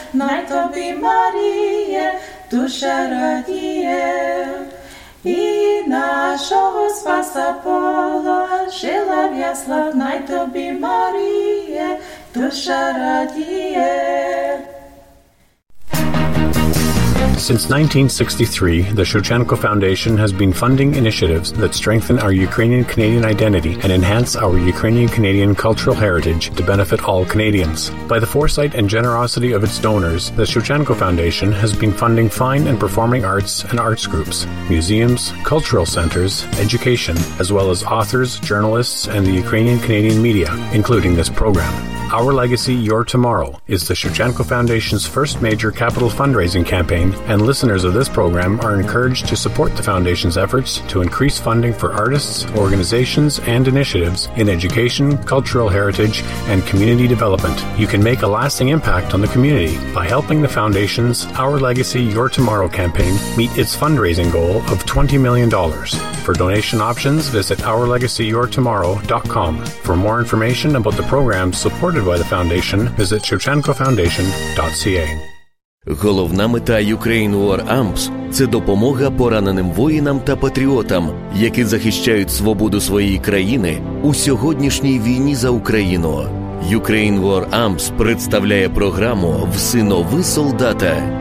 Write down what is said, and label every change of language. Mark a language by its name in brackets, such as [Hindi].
[Ukrainian] Най тобі, Маріє, душа радіє, і нашого Спаса положила в ясла. Най тобі, Маріє, душа радіє. [English] Since 1963, the Shevchenko Foundation has been funding initiatives that strengthen our Ukrainian-Canadian identity and enhance our Ukrainian-Canadian cultural heritage to benefit all Canadians. By the foresight and generosity of its donors, the Shevchenko Foundation has been funding fine and performing arts and arts groups, museums, cultural centers, education, as well as authors, journalists, and the Ukrainian-Canadian media, including this program. Our Legacy, Your Tomorrow is the Shevchenko Foundation's first major capital fundraising campaign, and listeners of this program are encouraged to support the Foundation's efforts to increase funding for artists, organizations, and initiatives in education, cultural heritage, and community development. You can make a lasting impact on the community by helping the Foundation's Our Legacy, Your Tomorrow campaign meet its fundraising goal of $20 million. For donation options, visit OurLegacyYourTomorrow.com. For more information about the program support by the foundation, visit shevchenkofoundation.ca. [Ukrainian] Головна мета Ukraine War Amps – це допомога пораненим воїнам та патріотам, які захищають свободу своєї країни у сьогоднішній війні за Україну. Ukraine War Amps представляє програму «Всинови солдата».